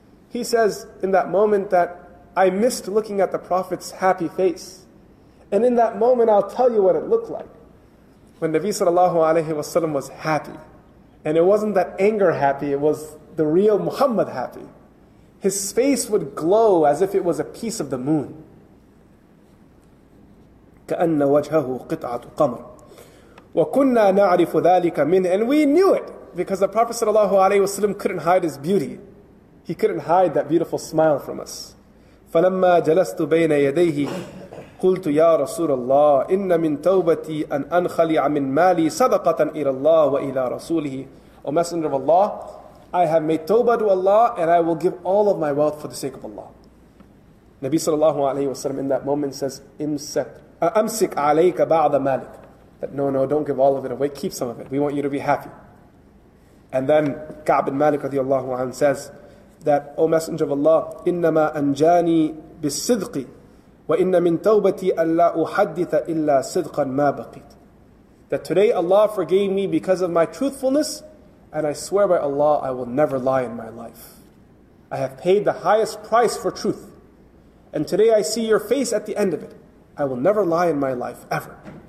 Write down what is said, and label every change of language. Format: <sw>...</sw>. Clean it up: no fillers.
<en>He says in that moment that I missed looking at the Prophet's happy face. And in that moment, I'll tell you what it looked like. When Nabi sallallahu alayhi wa sallam was happy, and it wasn't that anger happy, it was the real Muhammad happy. His face would glow as if it was a piece of the moon.</en> <ar>كَأَنَّ وَجْهَهُ قِطْعَةُ قَمْرٍ وَكُنَّا نَعْرِفُ ذَلِكَ مِنْهِ.</ar> <en>And we knew it, because the Prophet sallallahu alayhi wa sallam couldn't hide his beauty. He couldn't hide that beautiful smile from us.</en> <ar>فَلَمَّا جَلَسْتُ بَيْنَ يَدَيْهِ قلت يا رسول الله إن من توبتي أن أنخلع من مالي صدقة إلى الله وإلى رسوله.</ar> <en>O Messenger of Allah, I have made tawbah to Allah and I will give all of my wealth for the sake of Allah. Nabi sallallahu alayhi wa sallam in that moment says,</en> <ar>أمسك عليك بعض مالك.</ar> <en>That no, don't give all of it away. Keep some of it. We want you to be happy. And then Ka'b bin Malik radiallahu anhu says that, O Messenger of Allah,</en> <ar>إنما أنجاني بالصدق وَإِنَّ مِن تَوْبَتِي أَلَّا أُحَدِّثَ إِلَّا صِدْقًا مَا بَقِيت.</ar> <en>That today Allah forgave me because of my truthfulness, and I swear by Allah I will never lie in my life. I have paid the highest price for truth. And today I see your face at the end of it. I will never lie in my life, ever.</en>